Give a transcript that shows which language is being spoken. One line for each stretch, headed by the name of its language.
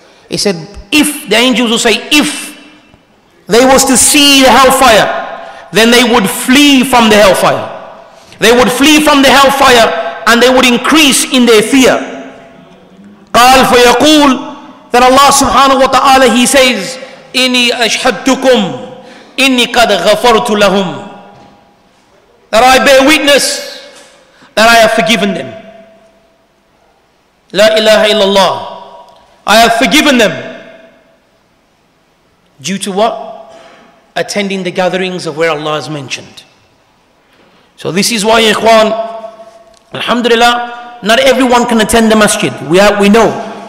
English: He said, if the angels will say, if they was to see the hellfire, then they would flee from the hellfire. They would flee from the hellfire and they would increase in their fear.
Arabic: قَالْ فَيَقُولُ.
English: Then Allah subhanahu wa ta'ala, He says,
Arabic: إني أشهدتكم إني قد غفرت لهم.
English: That I bear witness that I have forgiven them. La ilaha illallah. I have forgiven them. Due to what? Attending the gatherings of where Allah is mentioned. So this is why, ikhwan, alhamdulillah, not everyone can attend the masjid. We know.